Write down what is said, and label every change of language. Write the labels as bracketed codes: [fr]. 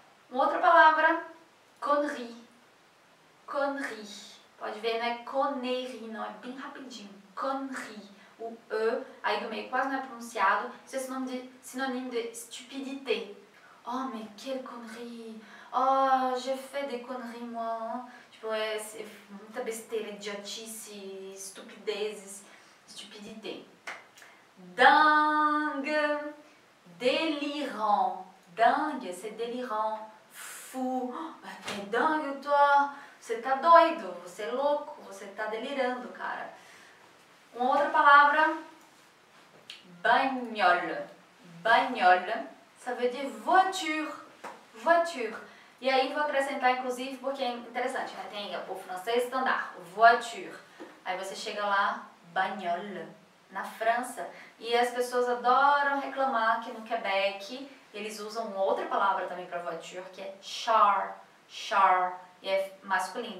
[pt] Uma outra palavra, connerie. Connerie. Pode ver, não é connerie, não, é bem rapidinho. Connerie. O E aí do meio quase não é pronunciado. Isso é sinônimo de stupidité. [fr] Oh, mais quelle connerie! Oh, j'ai fait des conneries, moi. [pt] Tipo, é muita besteira, idiotice, estupidezes, stupidité. [fr] Dingue, délirant. Dingue, c'est délirant. Fou, t'es dingue, toi? [pt] Você tá doido, você é louco, você tá delirando, cara. Uma outra palavra, bagnole. [fr] Bagnole, ça veut dire voiture. Voiture. [pt] E aí vou acrescentar, inclusive, porque é interessante, né? Tem o francês standard, voiture. Aí você chega lá, bagnole, na França. E as pessoas adoram reclamar que no Quebec eles usam outra palavra também para voiture, que é char. Char. E é masculino.